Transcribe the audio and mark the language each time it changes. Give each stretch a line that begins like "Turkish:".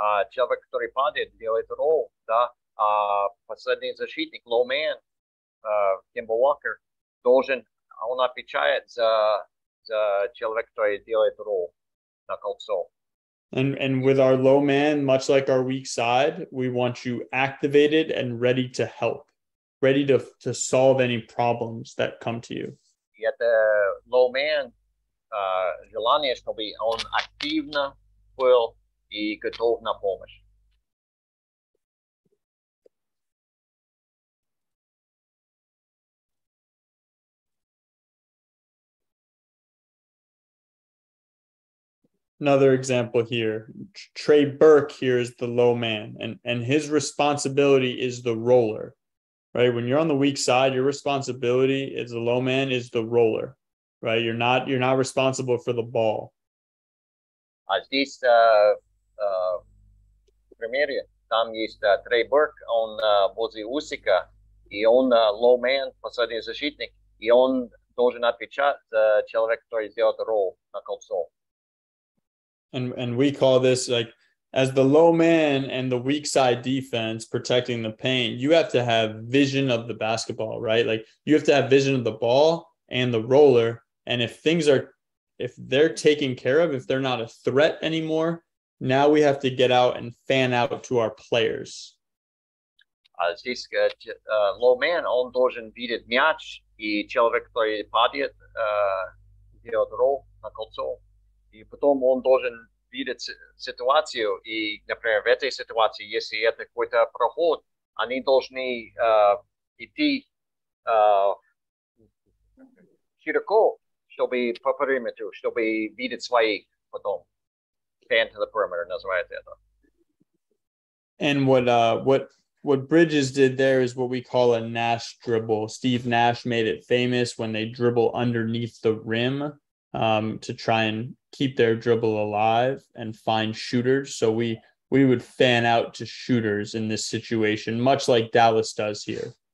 Russian: Человек, который падает, делает ролл, да. Последний защитник, low man, Kemba Walker, должен, он отвечает за человек, который делает ролл на кольцо.
English: And with our low man, much like our weak side, we want you activated and ready to help, ready to solve any problems that come to you.
Russian: И это low man, желание, чтобы он активно был и готов на помощь.
English: Another example here, Trey Burke here is the low man, and his responsibility is the roller, right? When you're on the weak side, your responsibility as a low man is the roller, right? You're not responsible for the ball.
Russian: А здесь, в примере, там есть Трей Бёрк, он возле усика, и он low man, последний защитник, и он должен отвечать за человека, который сделает ролл на кольцо.
English: And we call this, like, as the low man and the weak side defense protecting the paint, you have to have vision of the basketball, right? Like, you have to have vision of the ball and the roller. And if they're taken care of, if they're not a threat anymore, now we have to get out and fan out to our players.
Russian: Здесь low man, он должен видеть мяч, и человек, который падает, делает ролл на кольцо. И потом он должен видеть ситуацию, и, например, в этой ситуации, если это какой-то проход, они должны идти широко, чтобы по периметру, чтобы видеть своих потом.
English: Fan to the perimeter
Russian: называют это.
English: And what Bridges did there is what we call a Nash dribble. Steve Nash made it famous when they dribble underneath the rim. To try and keep their dribble alive and find shooters. So we would fan out to shooters in this situation, much like Dallas does here.